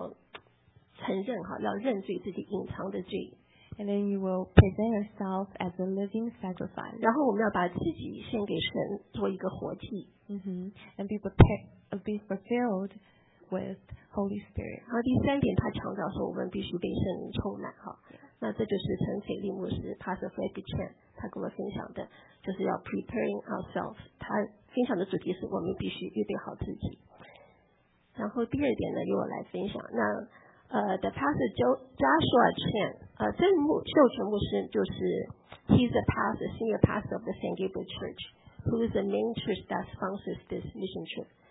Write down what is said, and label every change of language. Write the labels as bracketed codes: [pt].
[zh] 所以他跟我们分享,第一个就是我们要承认,要认罪自己隐藏的罪。 [en] And then you will present yourself as a living sacrifice. [zh] 然后我们要把自己献给神做一个活祭。 [en] And be fulfilled with Holy Spirit. [zh] 然后第三点他强调说我们必须被神充满。那这就是陈斐利牧师, Pastor Fred Chen, 他跟我分享的, 就是要 [en] preparing ourselves. [zh] 他分享的主题是我们必须预备好自己。然后第二点呢,由我来分享。 [en] The pastor Joshua Chen, [zh] 这位秀全牧师就是, [en] he's a pastor, senior pastor of the San Gabriel Church, who is the main church that sponsors this mission trip.